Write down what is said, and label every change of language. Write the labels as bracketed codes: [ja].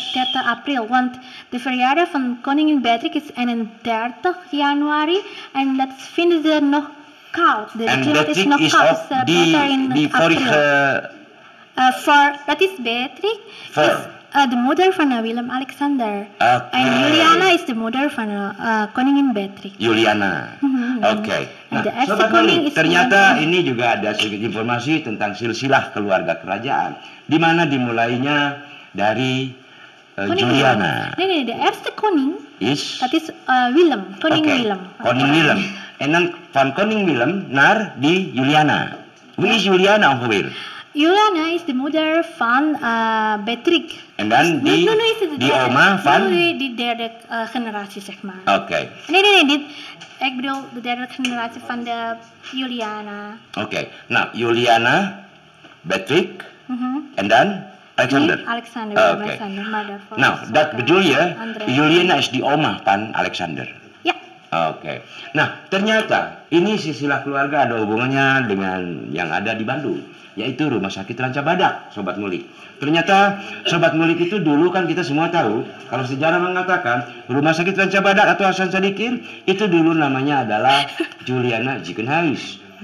[nl] 30 april, want de verjaardag van koningin Beatrix is 31 januari en dat vinden ze nog koud. De klimaat is nog koud, die vorige... Dat is Beatrix. Voor? De moeder van Willem-Alexander. Okay. En Juliana is de moeder van koningin Beatrix. Juliana. Oke. Okay. Nah, [id] sobat ternyata Juliana. Ini juga ada sedikit informasi tentang silsilah keluarga kerajaan. Di mana dimulainya dari Juliana. [nl] Nee, de eerste koning is? Dat is Willem, koning Willem. Koning Willem. En dan van koning Willem naar di Juliana. Wie is Juliana, ongeveer? Juliana is de moeder van Beatrix. En dan die oma van? Die derde generatie, zeg maar. Oké. Okay. Nee, dit, ik bedoel de derde generatie van de Juliana. Oké, okay. Nou, Juliana, Beatrix, mm-hmm. En dan Alexander. Nee, Alexander, okay. Alexander, maar daarvoor. Nou, dat bedoel je, Juliana is die oma van Alexander. Oke, okay. [id] Nah ternyata ini silsilah keluarga ada hubungannya dengan yang ada di Bandung, yaitu Rumah Sakit Ranca Badak, Sobat Ngulik. Ternyata Sobat Ngulik itu dulu kan kita semua tahu, kalau sejarah mengatakan Rumah Sakit Ranca Badak atau Hasan Sadikin itu dulu namanya adalah Juliana Jikenhuis.